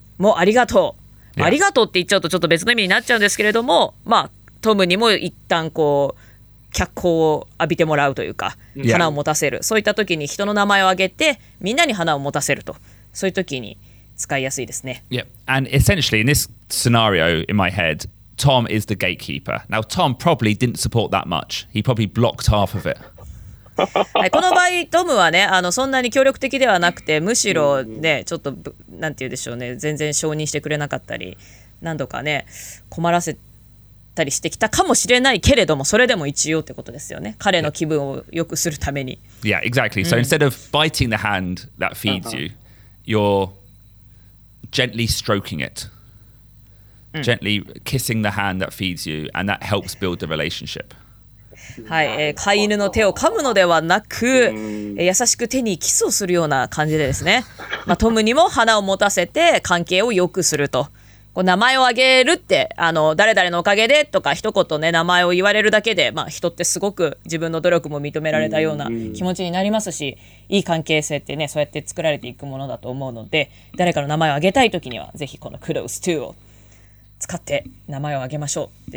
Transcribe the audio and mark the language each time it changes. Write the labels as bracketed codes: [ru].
[ja] もうありがとう、yeah. ありがとうって言っちゃうとちょっと別の意味になっちゃうんですけれども、まあ、トムにも一旦こう脚光を浴びてもらうというか、花を持たせる、yeah. そういった時に人の名前を挙げてみんなに花を持たせると、そういう時に使いやすいですね。 [en] Yeah, and essentially in this scenario in my head, Tom is the gatekeeper. Now Tom probably didn't support that much. He probably blocked half of it. [ja] 、はい、この場合トムはね、そんなに協力的ではなくて、むしろね、ちょっとなんて言うでしょうね、全然承認してくれなかったり何度かね困らせたりしてきたかもしれないけれども、それでも一応ってことですよね、彼の気分を良くするために。 [en] Yeah, exactly. So instead of biting the hand that feeds you, you're gently stroking it. Gently kissing the hand that feeds you, and that helps build the relationship. [ja] はい、飼い犬の手を噛むのではなく、優しく手にキスをするような感じでですね、まあ、トムにも花を持たせて関係を良くすると、こう名前を挙げるって、誰々のおかげでとか一言ね名前を言われるだけで、まあ、人ってすごく自分の努力も認められたような気持ちになりますし、いい関係性ってね、そうやって作られていくものだと思うので、誰かの名前を挙げたいときにはぜひこの [en] Close to [ja] を使って名前を挙げましょう。